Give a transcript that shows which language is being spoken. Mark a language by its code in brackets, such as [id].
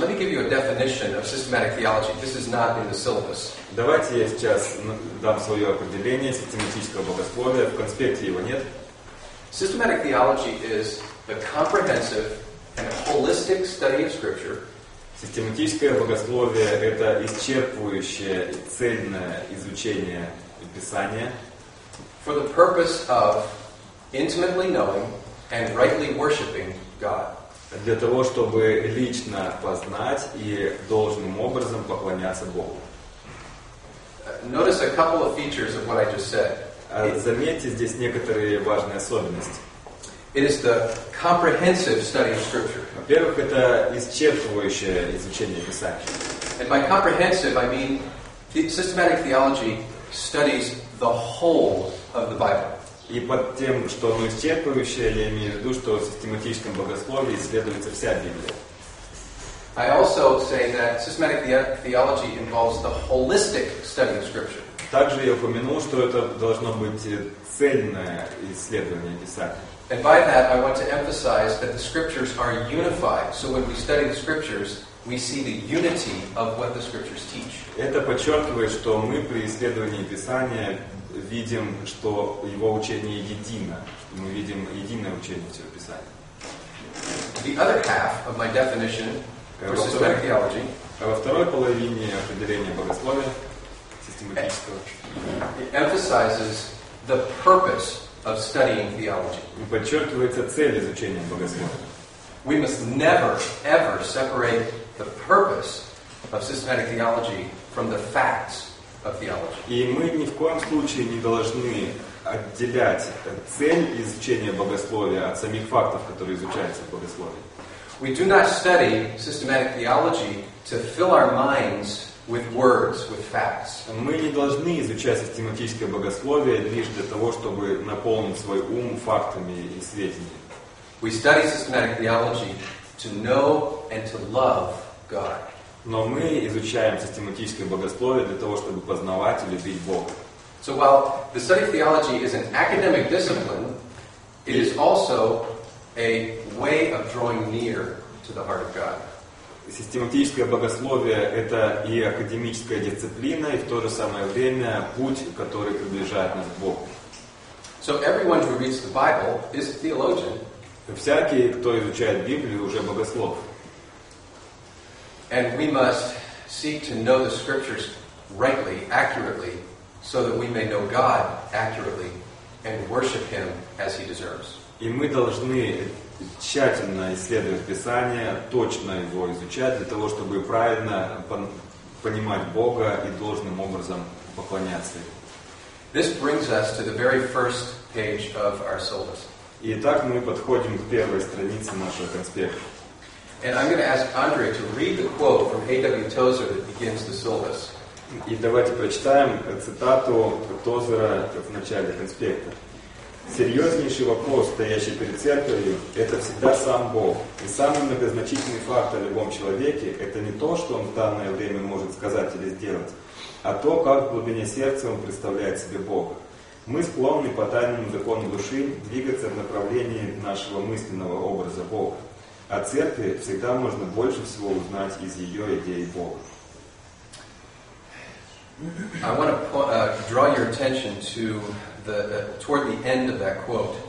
[en] Let me give you a definition of systematic theology. This is not in the syllabus. [ru] Давайте я сейчас дам свое определение систематического богословия. В конспекте его нет. [en] Systematic theology is the comprehensive and holistic study of Scripture. [ru] Систематическое богословие — это исчерпывающее и цельное изучение Писания. [en] For the purpose of intimately knowing and rightly worshiping God. [ru] Для того, чтобы лично познать и должным образом поклоняться Богу. [en] Notice a couple of features of what I just said. [ru] Заметьте здесь некоторые важные особенности. [en] It is the comprehensive study of Scripture. [ru] Во-первых, это исчерпывающее изучение Писания. [en] And by comprehensive, I mean systematic theology studies the whole of the Bible. [ru] И под тем, что оно исчерпывающее, я имею в виду, что в систематическом богословии исследуется вся Библия. [en] I also say that systematic theology involves the holistic study of Scripture. [ru] Также я упомянул, что это должно быть цельное исследование Писания. [en] And by that, I want to emphasize that the Scriptures are unified. So when we study the Scriptures, we see the unity of what the Scriptures teach. [ru] Это подчеркивает, что мы при исследовании Писания видим, что его учение едино. Мы видим единое учение всего Писания. [en] The other half of my definition for systematic theology. [ru] Во второй половине определения богословия систематического. [en] It emphasizes the purpose of studying theology. [ru] Подчеркивается цель изучения богословия. [en] We must never, ever separate the purpose of systematic theology from the facts. [ru] И мы ни в коем случае не должны отделять цель изучения богословия от самих фактов, которые изучаются в богословии. [en] We do not study systematic theology to fill our minds with words, with facts. [ru] Мы не должны изучать систематическое богословие лишь для того, чтобы наполнить свой ум фактами и сведениями. [en] We study systematic theology to know and to love God. [ru] Но мы изучаем систематическое богословие для того, чтобы познавать и любить Бога. [en] So while the study of theology is an academic discipline, it is also a way of drawing near to the heart of God. [ru] Систематическое богословие — это и академическая дисциплина, и в то же самое время путь, который приближает нас к Богу. [en] So everyone who reads the Bible is a theologian. [ru] Всякий, кто изучает Библию, уже богослов. [en] And we must seek to know the Scriptures rightly, accurately, so that we may know God accurately and worship Him as He deserves. [ru] И мы должны тщательно исследовать Писание, точно его изучать для того, чтобы правильно понимать Бога и должным образом поклоняться Ему. [en] This brings us to the very first page of our syllabus. [ru] И так мы подходим к первой странице нашего конспекта. [en] And I'm going to ask Andre to read the quote from A.W. Tozer that begins the syllabus. [ru] И давайте прочитаем цитату Тозера в начале конспекта. Серьезнейший вопрос, стоящий перед церковью, это всегда сам Бог. И самый многозначительный факт о любом человеке, это не то, что он в данное время может сказать или сделать, а то, как в глубине сердца он представляет себе Бога. Мы склонны по тайному закону души двигаться в направлении нашего мысленного образа Бога. О церкви всегда можно больше всего узнать из ее идеи Бога. [en] I want to draw your attention to the toward the end of that quote.